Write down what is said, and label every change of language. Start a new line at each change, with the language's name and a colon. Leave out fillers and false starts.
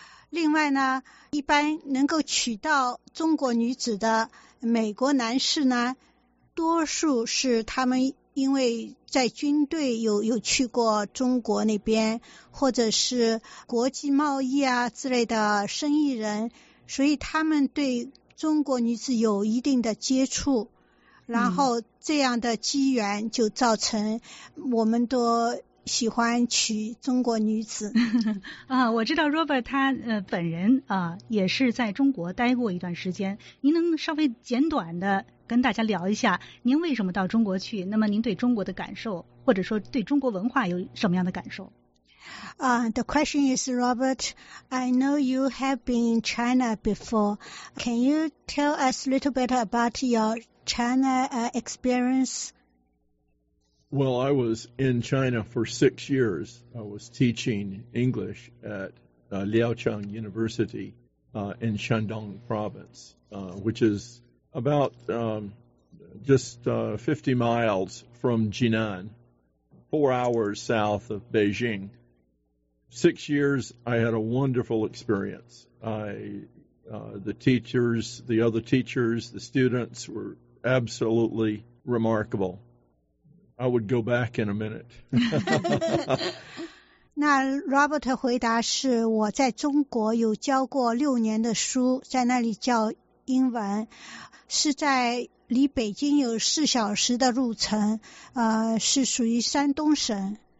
Chinese: 另外呢，一般能够娶到中国女子的美国男士呢，多数是他们因为在军队有去过中国那边，或者是国际贸易啊之类的生意人，所以他们对中国女子有一定的接触，然后这样的机缘就造成我们都喜欢娶中国女子。啊，我知道 Robert 他本人啊也是在中国待过一段时间，您能稍微简短的跟大家聊一下您为什么到中国去，那么您对中国的感受或者说对中国文化有什么样的感受？
English: The question is, Robert, I know you have been in China before. Can you tell us a little bit about your China experience? Well, I was in China for 6 years. I was teaching English at Liaochang University in Shandong Province, which is about just 50 miles from Jinan, 4 hours south of Beijing. 6 years, I had a wonderful experience. The other teachers, the students were absolutely remarkable. I would go back in a minute.
Chinese: 那 Robert 回答是，我在中国有教过6年的书，在那里教英文，是在离北京有4小时的路程，是属于山东省。